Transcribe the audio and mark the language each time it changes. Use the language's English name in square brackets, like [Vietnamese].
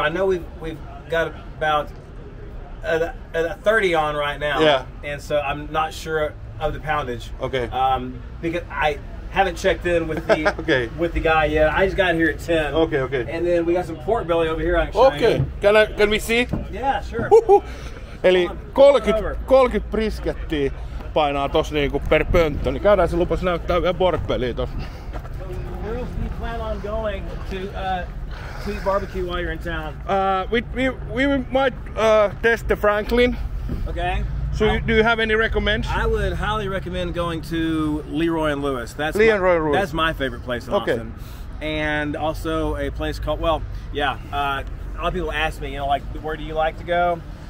[English] I know we've got about. A 30 on right now, yeah, and so I'm not sure of the poundage. Okay. Because I haven't checked in with the okay, with the guy yet. I just got here at 10. Okay, okay. And then we got some pork belly over here. Okay. Can we see? Yeah, sure. [Finnish] Eli 30 briskettiä painaa tos niinku per pönttö, niin käydään se lupas näyttää vielä pork belliä tos. [English] So where else do you plan on going to eat barbecue while you're in town? We might test the Franklin. Okay. So do you have any recommends? I would highly recommend going to Leroy and Lewis. That's Leroy and Lewis. That's my favorite place in Austin. And also a place called, a lot of people ask me, where do you like to go?